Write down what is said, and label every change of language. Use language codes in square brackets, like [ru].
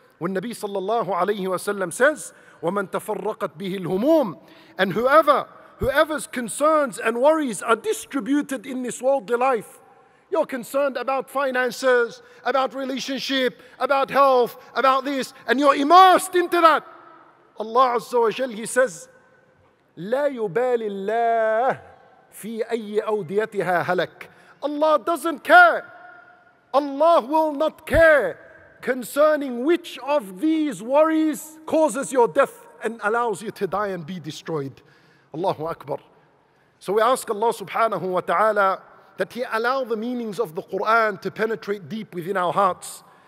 [en] When Nabi sallallahu alayhi wa sallam says, [ar] وَمَنْ تَفَرَّقَتْ بِهِ الْهُمُومِ. [en] And whoever's concerns and worries are distributed in this worldly life. You're concerned about finances, about relationship, about health, about this, and you're immersed into that. [ar] Allah Azza wa Jal, [en] He says, [ar] لا يبالي الله في أي أوديتها هلك. [en] Allah doesn't care. Allah will not care concerning which of these worries causes your death and allows you to die and be destroyed. Allahu Akbar. So we ask Allah subhanahu wa ta'ala that He allow the meanings of the Quran to penetrate deep within our hearts.